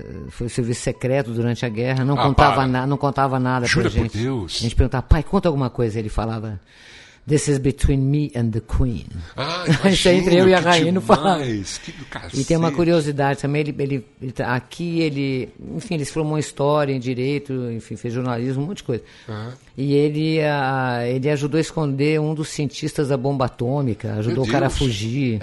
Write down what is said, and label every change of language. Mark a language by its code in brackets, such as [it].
[pt] Foi serviço secreto durante a guerra, não contava nada. Jura pra gente. Por Deus. A gente perguntava, pai, conta alguma coisa. Ele falava, [en] this is between me and the queen. [pt] Ah, imagina, isso é entre eu e a rainha, demais, que do cacete. E tem uma curiosidade também, enfim, ele se formou em história, em direito, enfim, fez jornalismo, um monte de coisa. Uh-huh. E ele ajudou a esconder um dos cientistas da bomba atômica, ajudou o cara a fugir.